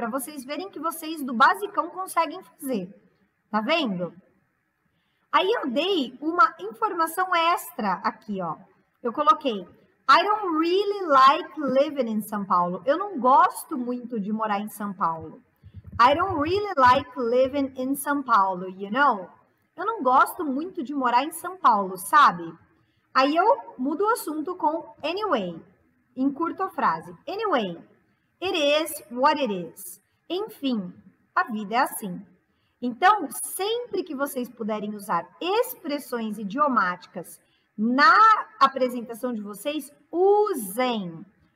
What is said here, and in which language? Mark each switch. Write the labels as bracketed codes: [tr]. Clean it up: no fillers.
[pt] Para vocês verem que vocês do basicão conseguem fazer. Tá vendo? Aí eu dei uma informação extra aqui, ó. Eu coloquei [en] I don't really like living in São Paulo. [pt] Eu não gosto muito de morar em São Paulo. [en] I don't really like living in São Paulo, you know? [pt] Eu não gosto muito de morar em São Paulo, sabe? Aí eu mudo o assunto com anyway, encurto a frase. [en] Anyway, it is what it is. [pt] Enfim, a vida é assim. Então, sempre que vocês puderem usar expressões idiomáticas na apresentação de vocês, usem.